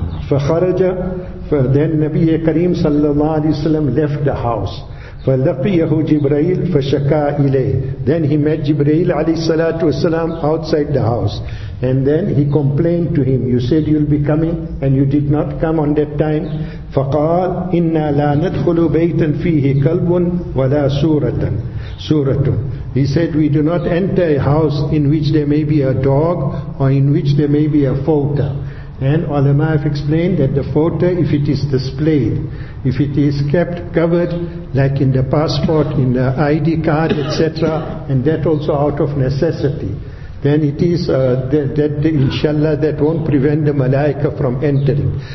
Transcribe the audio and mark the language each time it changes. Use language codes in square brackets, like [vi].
[en] فَخَرَجَ Then Nabiya Kareem sallallahu alayhi wasalam left the house. [ar] فَلَقِيَهُ جِبْرَيْلِ فَشَكَى إِلَيْهِ [en] Then he met Jibreel alayhi salatu wasalam outside the house. And then he complained to him, you said you'll be coming and you did not come on that time. [ar] فقال إنا لا ندخل بيتا فيه كلب ولا سورة. [en] He said, we do not enter a house in which there may be a dog or in which there may be a fauta. And ulama have explained that the fauta, if it is displayed, if it is kept covered, like in the passport, in the ID card, etc., and that also out of necessity, then it is that inshallah that won't prevent the malaika from entering.